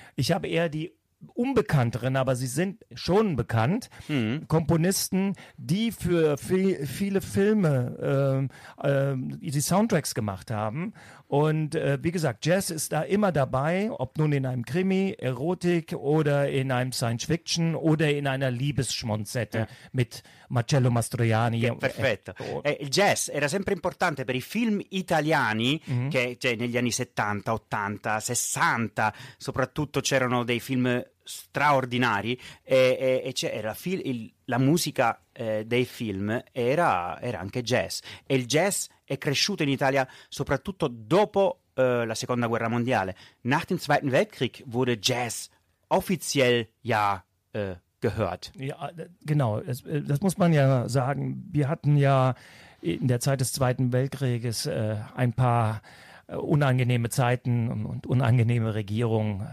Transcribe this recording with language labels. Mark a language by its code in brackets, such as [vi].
[de] Ich habe eher die Unbekannteren, aber sie sind schon bekannt, Komponisten, die für viele Filme die Soundtracks gemacht haben. Und wie gesagt, Jazz ist da immer dabei, ob nun in einem Krimi, Erotik oder in einem Science-Fiction oder in einer Liebesschmonzette mit Marcello Mastroianni. [it] Che perfetto. Il Jazz era sempre importante per i film italiani, che cioè, negli anni 70, 80, 60, soprattutto c'erano dei film straordinari e c'era la musica dei film era anche jazz e il jazz è cresciuto in Italia soprattutto dopo la Seconda Guerra Mondiale. [de] Nach dem Zweiten Weltkrieg wurde Jazz offiziell ja gehört. Ja, genau, das muss man ja sagen. Wir hatten ja in der Zeit des Zweiten Weltkrieges ein paar unangenehme Zeiten und unangenehme Regierungen.